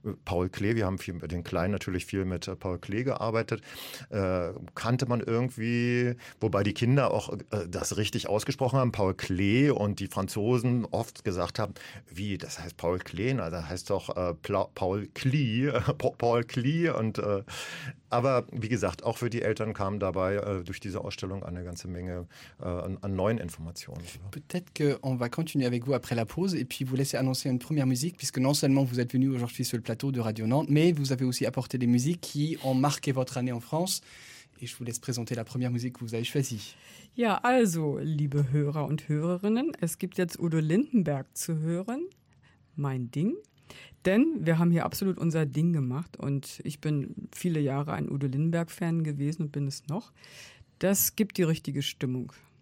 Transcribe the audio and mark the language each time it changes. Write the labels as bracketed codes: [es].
[de] Paul Klee, wir haben viel mit den Kleinen natürlich viel mit Paul Klee gearbeitet, kannte man irgendwie, wobei die Kinder auch das richtig ausgesprochen haben, Paul Klee, und die Franzosen oft gesagt haben, wie, das heißt Paul Klee, na, das heißt doch Paul Klee, Paul Klee und aber wie gesagt, auch für die Eltern kam dabei durch diese Ausstellung eine ganze Menge an neuen Informationen. [fr] Peut-être qu'on va continuer avec vous après la pause et puis vous laissez annoncer une première musique puisque non seulement vous êtes venu aujourd'hui sur le plateau de Radio Nantes, mais vous avez aussi apporté des musiques qui ont marqué votre année en France. Et je vous laisse présenter la première musique que vous avez choisie. [de] Ja, also, liebe Hörer und Hörerinnen, es gibt jetzt Udo Lindenberg zu hören, mein Ding. Denn wir haben hier absolut unser Ding gemacht und ich bin viele Jahre ein Udo Lindenberg-Fan gewesen und bin es noch. Das gibt die richtige Stimmung.